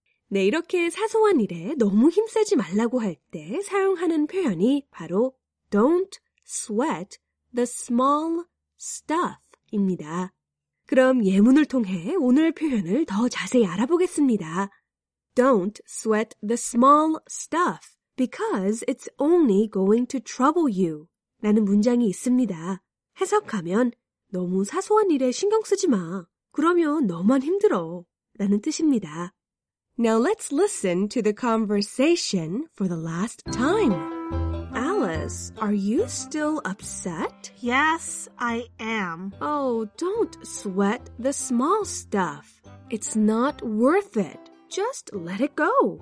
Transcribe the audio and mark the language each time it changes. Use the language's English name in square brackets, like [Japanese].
[Korean] 네, 이렇게 사소한 일에 너무 힘쓰지 말라고 할 때 사용하는 표현이 바로 [English] Don't sweat the small stuff [Korean] 입니다. 그럼 예문을 통해 오늘 표현을 더 자세히 알아보겠습니다. [English] Don't sweat the small stuff because it's only going to trouble you. [Korean] 라는 문장이 있습니다. 해석하면 너무 사소한 일에 신경 쓰지 마. 그러면 너만 힘들어. 라는 뜻입니다. [English] Now let's listen to the conversation for the last time. Alice, are you still upset? Yes, I am. Oh, don't sweat the small stuff. It's not worth it. Just let it go.